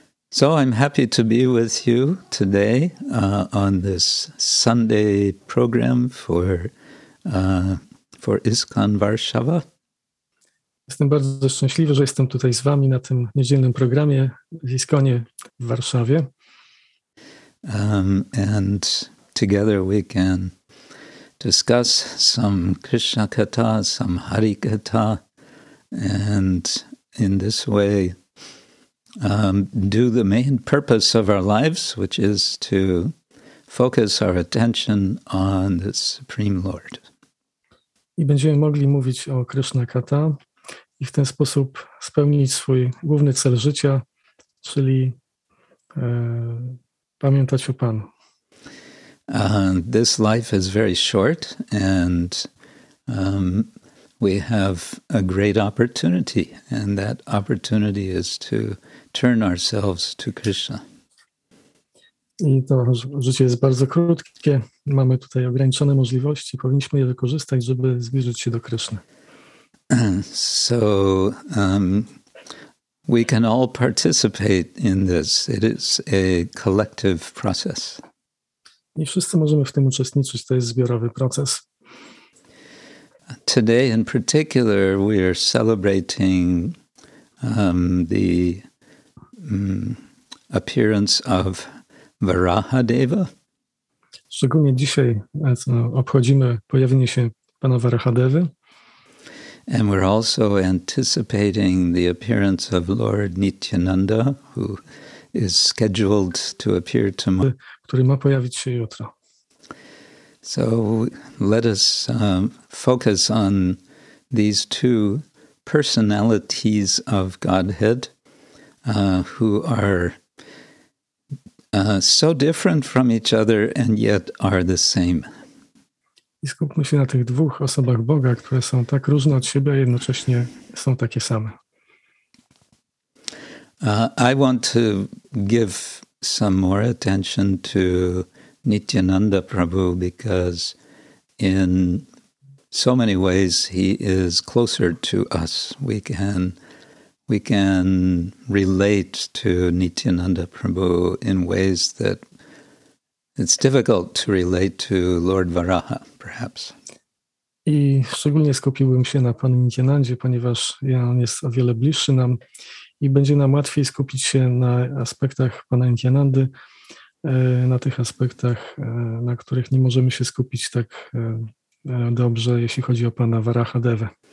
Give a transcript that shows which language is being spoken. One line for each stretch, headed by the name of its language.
English: So I'm happy to be with you today on this Sunday program for ISKCON Warszawa.
Polish: Jestem bardzo szczęśliwy, że jestem tutaj z wami na tym niedzielnym programie w ISKCONie w Warszawie.
English: And together we can discuss some Krishna katha, some Hari katha, and in this way do the main purpose of our lives, which is to focus our attention on the Supreme Lord.
Polish: I będziemy mogli mówić o Krishna katha i w ten sposób spełnić swój główny cel życia, czyli pamiętać o Panu.
English: This life is very short, and we have a great opportunity, and that opportunity is to turn ourselves to Krishna.
Polish: I to życie jest bardzo krótkie. Mamy tutaj ograniczone możliwości. Powinniśmy je wykorzystać, żeby zbliżyć się do Kryszny.
English: So we can all participate in this. It is a collective process.
Polish: I wszyscy możemy w tym uczestniczyć. To jest zbiorowy proces.
English: Today in particular we are celebrating the appearance of Varaha Deva.
Polish: Szczególnie dzisiaj obchodzimy pojawienie się Pana Varahadevy.
English: And we're also anticipating the appearance of Lord Nityananda, who is scheduled to appear tomorrow.
Polish: Który ma pojawić się jutro.
English: So let us focus on these two personalities of Godhead, who are so different from each other and yet are the same.
Polish: I skupmy się na tych dwóch osobach Boga, które są tak różne od siebie, a jednocześnie są takie same.
English: I want to give some more attention to Nityananda Prabhu because in so many ways he is closer to us. We can relate to Nityananda Prabhu in ways that it's difficult to relate to Lord Varaha, perhaps.
Polish: I szczególnie skupiłbym się na Panu Nityanandzie, ponieważ on jest o wiele bliższy nam i będzie nam łatwiej skupić się na aspektach Pana Nityanandy, na tych aspektach, na których nie możemy się skupić tak dobrze, jeśli chodzi o Pana Varahadevę.